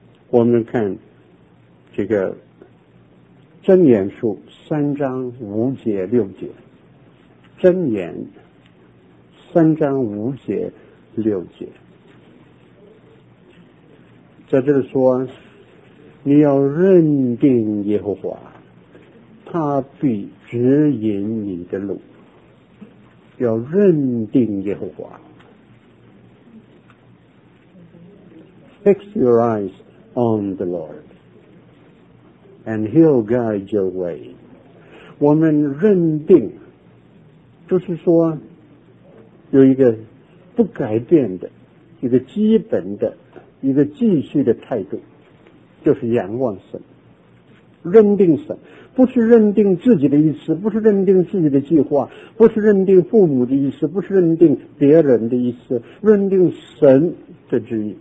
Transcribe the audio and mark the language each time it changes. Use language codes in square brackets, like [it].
[zh] 我们看这个箴言书三章五节六节，箴言三章五节六节，在这里说，你要认定耶和华，他必指引你的路。要认定耶和华 ， [en] Fix your eyes。 On the Lord, and He'll guide your way. [zh] 我们认定，就是说，有一个不改变的、一个基本的、一个继续的态度，就是仰望神，认定神，不是认定自己的意思，不是认定自己的计划，不是认定父母的意思，不是认定别人的意思，认定神的旨意。